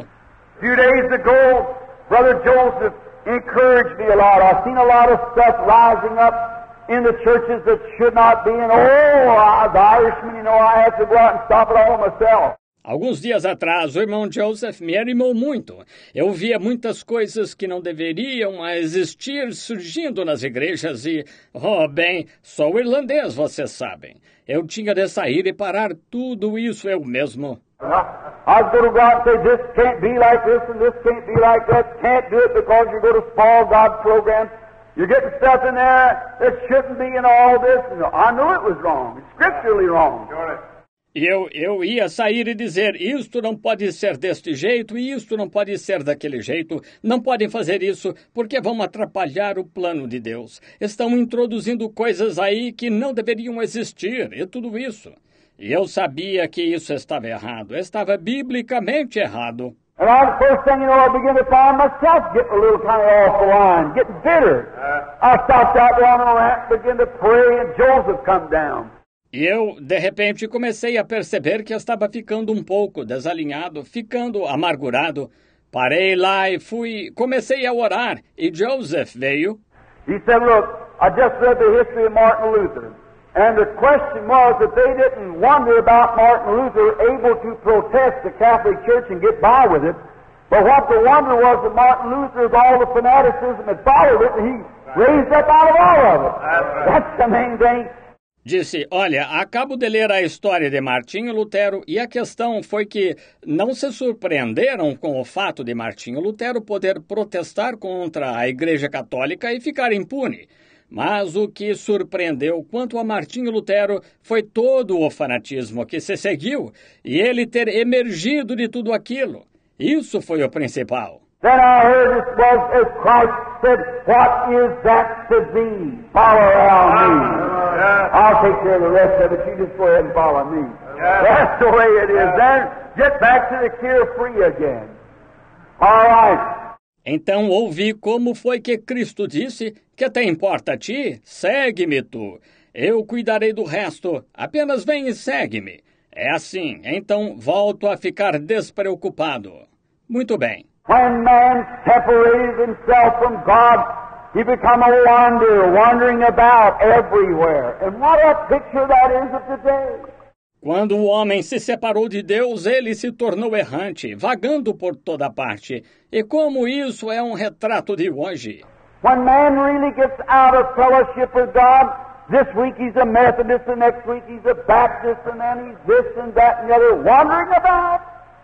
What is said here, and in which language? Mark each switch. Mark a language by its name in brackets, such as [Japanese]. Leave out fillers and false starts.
[English] A few days ago, Brother Joseph encouraged me a lot. I've seen a lot of stuff rising up in the churches that should not be, and the Irishman, you know, I had to go out and stop it all myself. [Portuguese] Alguns dias atrás, o irmão Joseph me animou muito. Eu via muitas coisas que não deveriam existir surgindo nas igrejas e, oh, bem, sou irlandês, vocês sabem. Eu tinha de sair e parar tudo isso eu mesmo. [English] I was going to go out and say, this can't be like this and this can't be like that. Can't do it because you're going to spoil God's program. You're getting stuff in there that shouldn't be in all this. And I knew it was wrong. It's scripturally wrong. [Portuguese] E eu ia sair e dizer, isto não pode ser deste jeito e isto não pode ser daquele jeito. Não podem fazer isso porque vão atrapalhar o plano de Deus. Estão introduzindo coisas aí que não deveriam existir e tudo isso. E eu sabia que isso estava errado. Estava biblicamente errado. [English] And the first thing you know, I begin to find myself getting a little kind of off the line, getting bitter. I stopped out on the ramp, begin to pray, and Joseph come down. [Portuguese] E eu, de repente, comecei a perceber que estava ficando um pouco desalinhado, ficando amargurado. Parei lá e fui, comecei a orar, e Joseph veio. [English] He said, look, I just read the history of Martin Luther. And the question was that they didn't wonder about Martin Luther able to protest the Catholic Church and get by with it. But what the wonder was that Martin Luther, with all the fanaticism that followed it, and he raised up out of all of it. That's the main thing. [Portuguese] Disse, olha, acabo de ler a história de Martinho Lutero e a questão foi que não se surpreenderam com o fato de Martinho Lutero poder protestar contra a Igreja Católica e ficar impune. Mas o que surpreendeu quanto a Martinho Lutero foi todo o fanatismo que se seguiu e ele ter emergido de tudo aquilo. Isso foi o principal. [English] Then I heard it was as Christ said, what is that to thee? Follow around me. Yeah. I'll take care of the rest of it. You just go ahead and follow me. Yeah. That's the way it is. Then get back to the carefree again. All right. [Portuguese] Então ouvi como foi que Cristo disse, que até importa a ti, segue-me tu. Eu cuidarei do resto, apenas vem e segue-me. É assim, então volto a ficar despreocupado. Muito bem. [English] When man separated himself from God, he became a wanderer, wandering about everywhere. And what a picture that is of today. [Portuguese] Quando o homem se separou de Deus, ele se tornou errante, vagando por toda parte. E como isso é um retrato de hoje? [English] When man really gets out of fellowship with God, this week he's a Methodist, the next week he's a Baptist, and then he's this and that and the other, wandering about.